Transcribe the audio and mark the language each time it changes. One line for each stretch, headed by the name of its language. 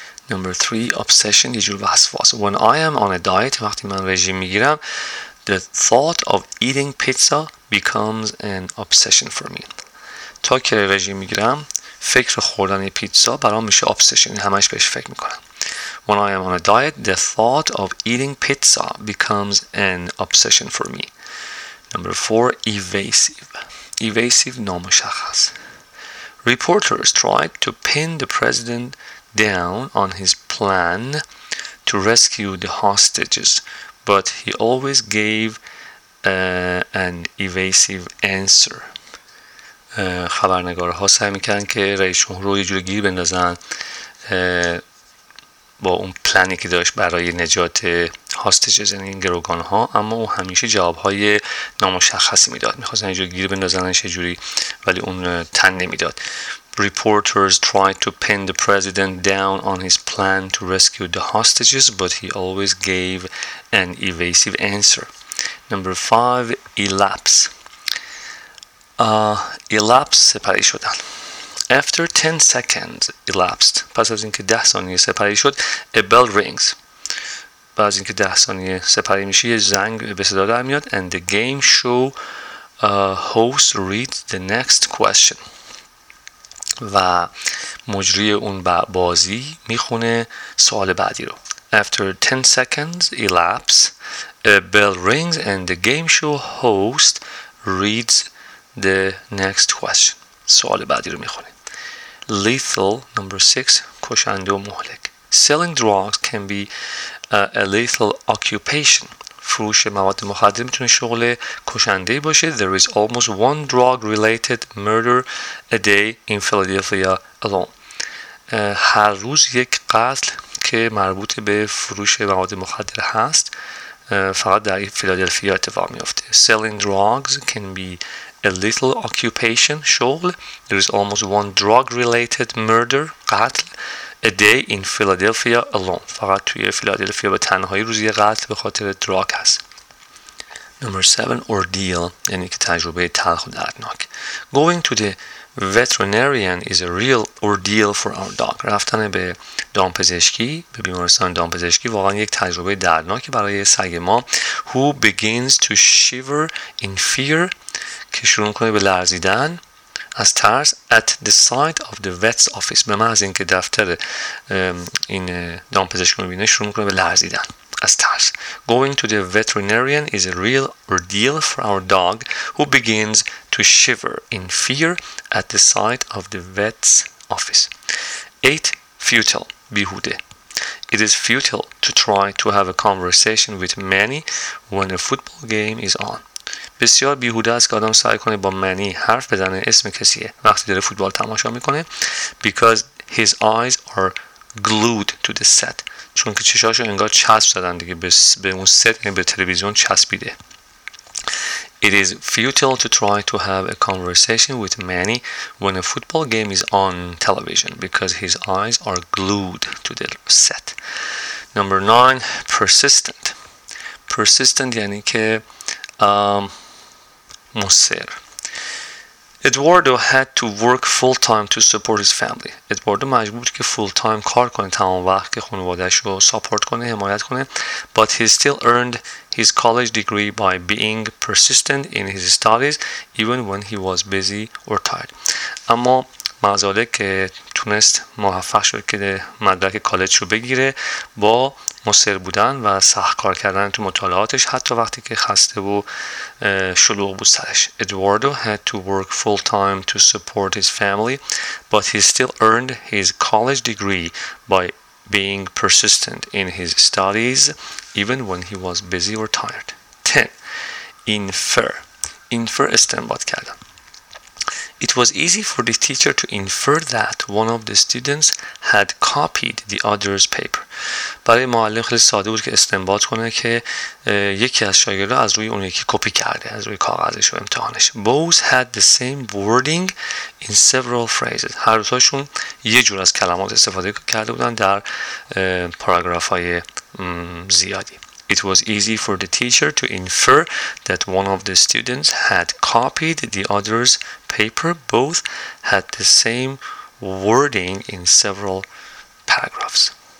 English: Number 3, obsession,
Persian: یه جور وسواس.
English: When I am on a diet,
Persian: وقتی من رژیم میگیرم,
English: the thought of eating pizza becomes an obsession for me.
Persian: تا که رژیم میگیرم فکر خوردن پیتزا برام میشه obsession, همش بهش فکر میکنم.
English: When I am on a diet, the thought of eating pizza becomes an obsession for me. Number 4, evasive. Evasive, نامشخص. Reporters tried to pin the president down on his plan to rescue the hostages, but he always gave an evasive answer.
Persian: خبرنگارها سعی میکنن که رئیس جمهور رو یه جوری گیر بندازن با اون پلانی که داشت برای نجات هاستجز این گروگان ها, اما او همیشه جواب های نامشخصی میداد. میخواستن یه جوری گیر بندازنش یه جوری, ولی اون تن نمیداد.
English: Reporters tried to pin the president down on his plan to rescue the hostages, but he always gave an evasive answer. Number 5, elapse. Elapse,
Persian: سپری شدن.
English: After 10 seconds elapsed,
Persian: پس از اینکه 10 ثانیه سپری شد,
English: a bell rings.
Persian: بعد از اینکه 10 ثانیه سپری میشه, یه زنگ به صدا در میاد,
English: and the game show host reads the next question.
Persian: و مجری اون بازی میخونه سوال بعدی رو.
English: After 10 seconds elapse, a bell rings and the game show host reads the next question.
Persian: سوال بعدی رو میخونه.
English: Lethal, number 6,
Persian: کشنده و مهلک.
English: Selling drugs can be a lethal occupation.
Persian: فروش مواد مخدر میتونه شغل کشنده باشه.
English: There is almost one drug related murder a day in Philadelphia alone.
Persian: هر روز یک قتل که مربوط به فروش مواد مخدر هست فقط در فیلادلفیا اتفاق میفته.
English: Selling drugs can be a lethal occupation, شغل. There is almost one drug related murder, قتل, a day in Philadelphia alone.
Persian: فقط توی فیلادلفیا به تنهایی روزی قتل به خاطر دراگ هست.
English: Number 7, ordeal,
Persian: یعنی که تجربه تلخ و دردناک.
English: Going to the veterinarian is a real ordeal for our dog.
Persian: رفتن به دامپزشکی, به بیمارستان دامپزشکی واقعا یک تجربه دردناکی برای سگ ما.
English: Who begins to shiver in fear,
Persian: که شروع کنه به لرزیدن از ترس,
English: at the sight of the vet's office,
Persian: به محض اینکه دفتر این دامپزشک رو بینه شروع کنه به لرزیدن از ترس.
English: Going to the veterinarian is a real ordeal for our dog who begins to shiver in fear at the sight of the vet's office. 8. Futile, بیهوده. It is futile to try to have a conversation with Manny when a football game is on.
Persian: بسیار بیهوده است که آدم سعی کنه با منی حرف بزنه, اسم کسیه, وقتی داره فوتبال تماشا میکنه.
English: Because his eyes are glued to the set,
Persian: چون که چشاشو انگار چسب زدن دیگه به اون ست، یعنی به تلویزیون چسبیده.
English: It is futile to try to have a conversation with Manny when a football game is on television because his eyes are glued to the set. Number 9, persistent. Persistent
Persian: یعنی که مصر.
English: Eduardo had to work full-time to support his family.
Persian: Eduardo مجبور بود که full-time کار کنه، تمام وقت که خانواده‌اش رو ساپورت کنه، حمایت کنه.
English: But he still earned his college degree by being persistent in his studies even when he was busy or tired.
Persian: اما مزاله که تونست موفق شد که مدرک کالج رو بگیره با مصر بودن و سخت کار کردن تو مطالعاتش حتی وقتی که خسته و شلوغ بود سرش.
English: Eduardo had to work full time to support his family but he still earned his college degree by being persistent in his studies even when he was busy or tired. 10. Infer. Infer
Persian: استنباط کردن.
English: It was easy for the teacher to infer that one of the students had copied the other's paper.
Persian: برای معلم خیلی ساده بود که استنباط کنه که یکی از شاگردها از روی اون یکی کپی کرده، از روی کاغذش و امتحانش.
English: Both had the same wording in several phrases.
Persian: هر دوتاشون یه جور از کلمات استفاده کرده بودن در پاراگراف‌های زیادی.
English: It was easy for the teacher to infer that one of the students had copied the other's paper. Both had the same wording in several paragraphs.